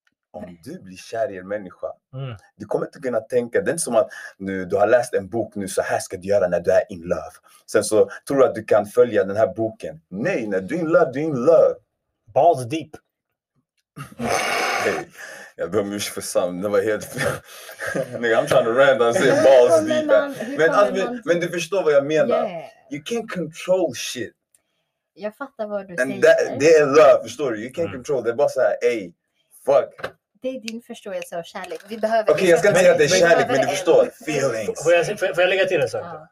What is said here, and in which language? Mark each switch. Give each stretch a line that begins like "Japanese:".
Swedish: Om du blir kär i en människa, du kommer inte kunna tänka, det är inte som att nu, du har läst en bok nu, så här ska du göra när du är
English: in love.
Swedish: Sen så tror du att du kan följa den här boken. Nej, när du är
English: in love,
Swedish: du är in love.
English: Balls deep.
Swedish: Hey, jag ber om ursäkt för Sam, det var helt fel.
English: I'm trying to rant and say balls deep.
Swedish: Men du förstår vad jag menar.
English: Yeah. You can't control shit.
Swedish: Jag fattar vad du
English: and
Swedish: säger. Det är love, förstår du?
English: You can't control,
Swedish: det är bara så här, ey.
English: Fuck.
Swedish: Det är din förståelse av kärlek. Vi behöver. Okej, jag ska inte säga att det är kärlek, men du förstår.
English: Feelings.
Swedish: Får jag lägga till en sak?